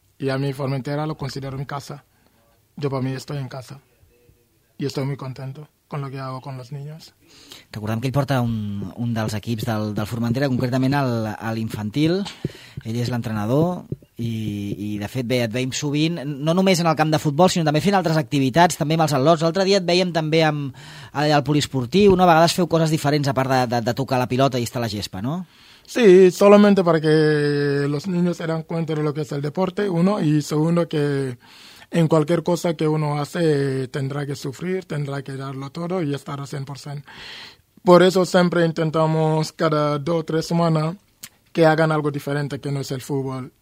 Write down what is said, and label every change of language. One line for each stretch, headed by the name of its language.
Spanish: Y a mí Formentera lo considero mi casa. Yo para mí estoy en casa. Y estoy muy contento con lo que hago con los niños.
Catalan: Recordem que ell porta un dels equips del Formentera, concretament l'infantil. Ell és l'entrenador I de fet, bé, et veiem sovint, no només en el camp de futbol, sinó també fent altres activitats, també amb els atlots. L'altre dia et veiem també amb el poliesportiu, no? A vegades feu coses diferents a part de tocar la pilota i estar a la gespa, no?
Spanish: Sí, solamente para que los niños se den cuenta de lo que es el deporte, uno, y segundo, que en cualquier cosa que uno hace tendrá que sufrir, tendrá que darlo todo y estar al 100%. Por eso siempre intentamos cada dos o tres semanas que hagan algo diferente que no es el fútbol.